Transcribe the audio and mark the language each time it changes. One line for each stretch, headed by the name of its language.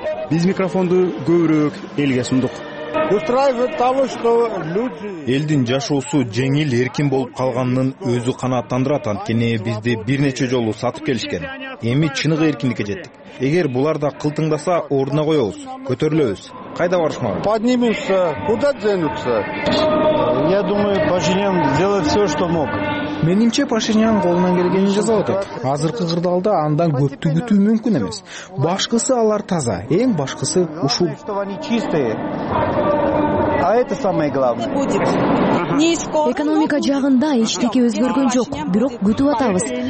Kyrgyz: Биз микрофонду көбүрөөк элге сундук. Элдин жашоосу жеңил эркин болуп калганынын өзү канааттандырат, анткени бизди бир нече жолу сатып келишкен. Эми чыныгы эркиндикке жеттик. Эгер булар да кылтыңдаса, ордуна коебуз, көтөрүлөбүз. Кайда барышмабыз?
Russian: Поднимемся, куда денутся? Я думаю, Пашинян делает все, что мог.
Kyrgyz: Менимче Пашинян колунан келгенин жасап атат. Азыркы кырдаалда андан көптү күтүү мүмкүн эмес. Башкысы алар таза, эң башкысы ушул.
Russian: А это самое главное.
Kyrgyz: Экономика жагында эчтеке өзгөргөн жок, бирок күтүп атабыз.